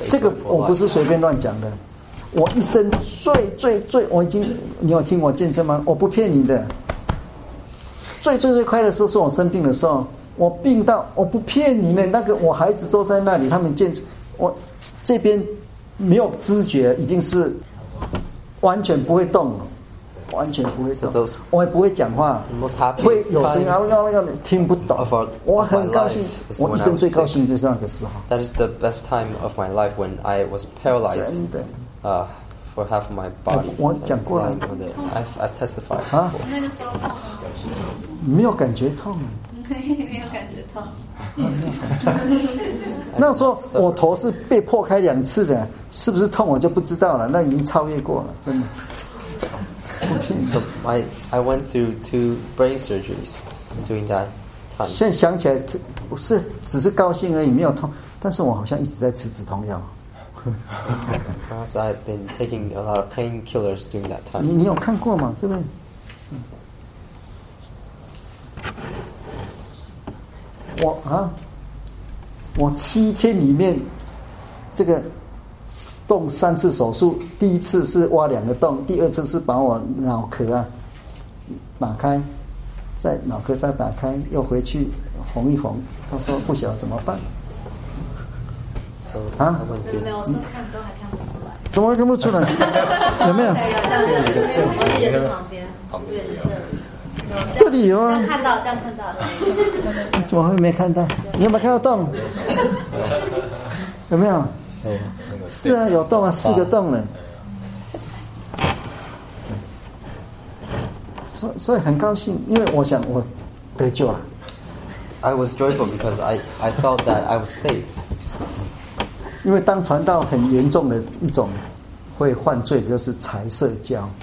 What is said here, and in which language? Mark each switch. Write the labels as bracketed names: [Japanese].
[Chinese] 这个我不是随便乱讲的我一生最最最我已经你有听我见证吗我不骗你的最最最快的时候是我生病的时候，我病到我不骗你呢，那个我孩子都在那里，他们见我这边没有知觉，已经是完全不会动了，完全不会动，我也不会讲话，会有声音，然后要听不懂。我很高兴，我一生最高兴就是那个时候。 [English] That is the best time of my life when I was paralyzed. [Chinese] 真的。 [English] For half my body. [Chinese] 我讲过了。 [English] I've testified. [Chinese] 那个时候痛吗？没有感觉痛。没有感觉痛。那时候我头是被破开两次的，是不是痛我就不知道了。那已经超越过了，真的。 [English] So I went through two brain surgeries during that time. [Chinese] 现在想起来，是只是高兴而已，没有痛。但是我好像一直在吃止痛药。 [English] Perhaps I've been taking a lot of painkillers during that time. [Chinese] 你有看过吗？对不对？我七天里面这个动三次手术，第一次是挖两个洞，第二次是把我脑壳啊打开，再脑壳再打开，又回去缝一缝。他说不晓得怎么办。啊，没有，我说看都还看不出来，怎么会看不出来？有没有？有，这样子，这样子，旁边，旁边这这里有啊，这样看到，这样看到，你怎么会没看到？你有没有看到洞？有没有？是啊，有洞啊，四个洞了。所以很高兴，因为我想我得救了。 [English] I was joyful because I felt that I was saved. [Chinese] 因为当传道很严重的一种会犯罪，就是财色交。